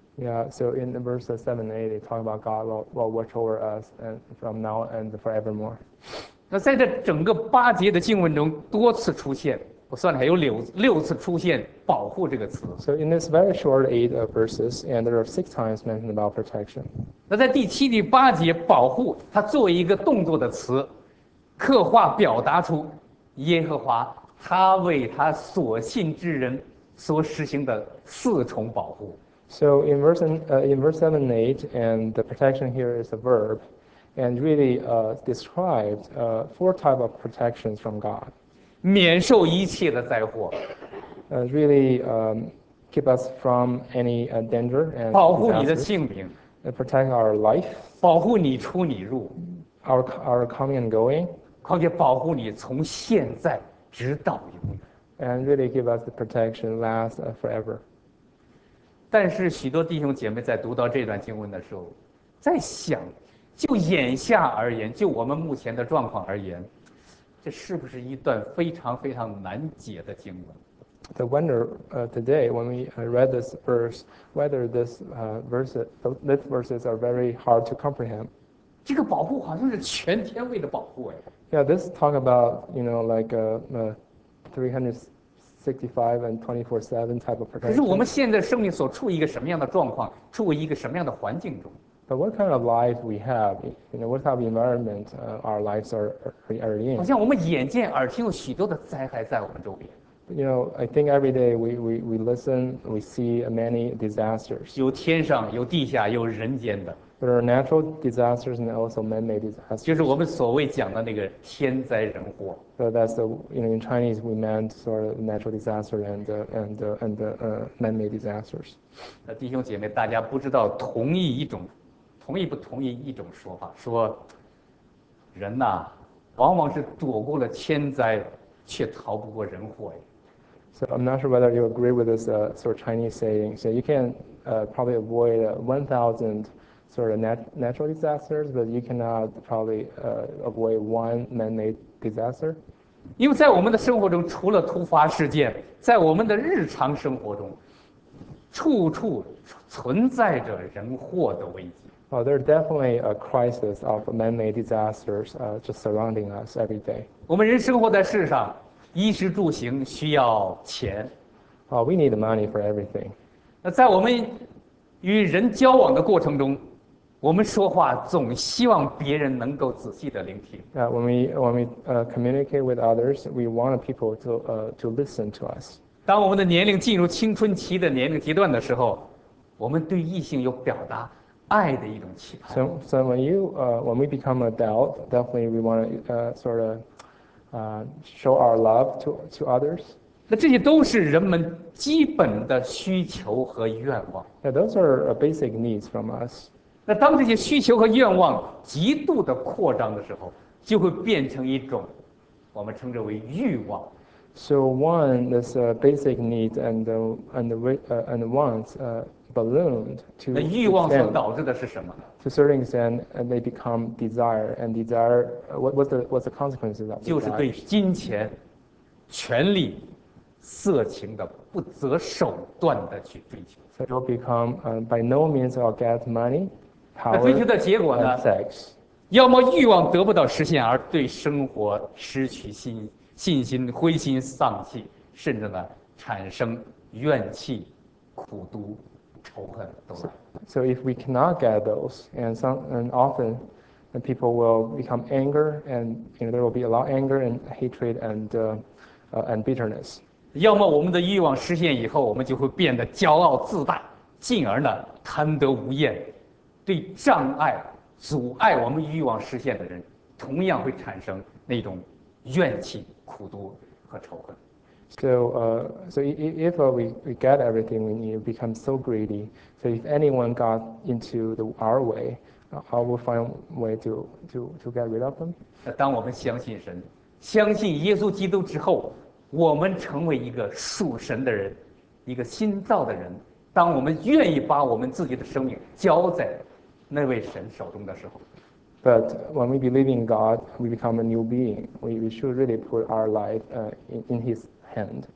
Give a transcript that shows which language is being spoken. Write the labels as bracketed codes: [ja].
[en] Yeah, so in verses 7 and 8, they talk about God will watch over us and from now and forevermore. [zh] 那在这整个八节的经文中多次出现，我算了还有六次出现"保护"这个词。 [en] So in this very short 8 verses, and there are 6 times mentioned about protection. [zh] 那在第7、第8节，保护它作为一个动作的词，刻画表达出耶和华他为他所信之人所实行的四重保护。 [en] So in verse 7 and 8, and the protection here is a verb, and really describes 4 types of protections from God. [zh] 免受一切的灾祸, [en] really keep us from any danger and [zh] 保护你的性命, [en] protect our life, [zh] 保护你出你入, [en] our coming and going, [zh] 况且保护你从现在直到永远, [en] and really give us the protection last forever. [zh] 但是许多弟兄姐妹在读到这段经文的时候，在想，就眼下而言，就我们目前的状况而言，这是不是一段非常非常难解的经文？ [en] I wonder today when we read this verse whether these verses are very hard to comprehend. [zh] 这个保护好像是全天为的保护哎。 [en] Yeah, this talk about, like a 365 and 24/7 type of [zh] 可是我们 [en] protection. [zh] 现在生命所处于一个什么样的状况，处于一个什么样的环境中？ [en] But what kind of life we have, what type of environment our lives are in? [zh] 好像我们眼见耳听有许多的灾害在我们周围。 [en] I think every day we listen, we see many disasters. [zh] 有天上，有地下，有人间的。 [en] There are natural disasters and also man-made [zh] 就是我们 [en] disasters. [zh] 所谓讲的那个天灾人祸。 [en] So that's in Chinese we meant sort of natural disaster and man-made disasters. [zh] 那弟兄姐妹，大家不知道同意一种，同意不同意一种说法，说人呐，往往是躲过了天灾，却逃不过人祸呀。 [en] So I'm not sure whether you agree with this sort of Chinese saying. So you can probably avoid 1,000 sort of natural disasters, but you cannot probably avoid one man-made disaster. [zh] 因为在我们的生活中，除了突发事件，在我们的日常生活中，处处存在着人祸的危机。 [en] Well, there's definitely a crisis of man-made disasters just surrounding us every day. [zh] 我们人生活在世上，衣食住行需要钱。 [en] We need the money for everything. [zh] 那在我们与人交往的过程中，我们说话总希望别人能够仔细的聆听。 [en] When we communicate with others, we want people to listen to us. [zh] 当我们的年龄进入青春期的年龄阶段的时候，我们对异性有表达爱的一种期盼。 [en] So when we become adult, definitely we want to show our love to others. [zh] 那这些都是人们基本的需求和愿望。 [en] Yeah, those are basic needs from us. [zh] 那当这些需求和愿望极度的扩张的时候，就会变成一种我们称之为欲望。 [en] So one, this basic needs and wants ballooned to [zh] 那欲望所导致的是什么？ [en] To a certain extent, and they become desire, and desire, what's the consequences of that? [zh] 就是对金钱、权力、色情的不择手段的去追求。 [en] So it will become, by no means I'll get money, power, [zh] 那追求的结果呢？ [en] and sex. [zh] 要么欲望得不到实现，而对生活失去信心，灰心丧气，甚至呢产生怨气、苦毒、仇恨都来。 [en] So if we cannot get those, and often, the people will become anger, and there will be a lot of anger and hatred and bitterness. [zh] 要么我们的欲望实现以后，我们就会变得骄傲自大，进而呢贪得无厌，对障碍、阻碍我们欲望实现的人，同样会产生那种怨气、苦毒和仇恨。 [en] So if we get everything we need, become so greedy. So if anyone got into our way, how will find way to get rid of them? [zh] 那当我们相信神，相信耶稣基督之后，我们成为一个属神的人，一个新造的人。当我们愿意把我们自己的生命交在那位神手中的时候。 [en] But when we believe in God, we become a new being. We should really put our life in His hand.